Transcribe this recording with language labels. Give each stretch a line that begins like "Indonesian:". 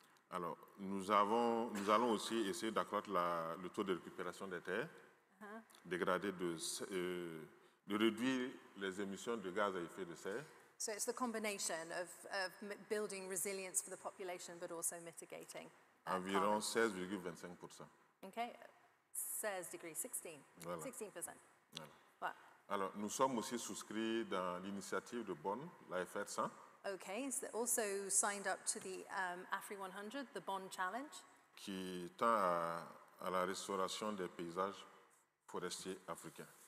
French: Alors, nous allons aussi essayer d'accroître le taux de récupération des terres, dégradées de réduire les émissions de gaz à effet de serre.
English: So it's the combination of building resilience for the population, but also mitigating.
French: Environ 16,25%.
English: OK. 16%.
French: Voilà. Alors, nous sommes aussi souscrits dans l'initiative de Bonn, la FR100.
English: OK. So they also signed up to the AFRI 100, the Bonn Challenge.
French: Qui tend à la restauration des paysages forestiers africains.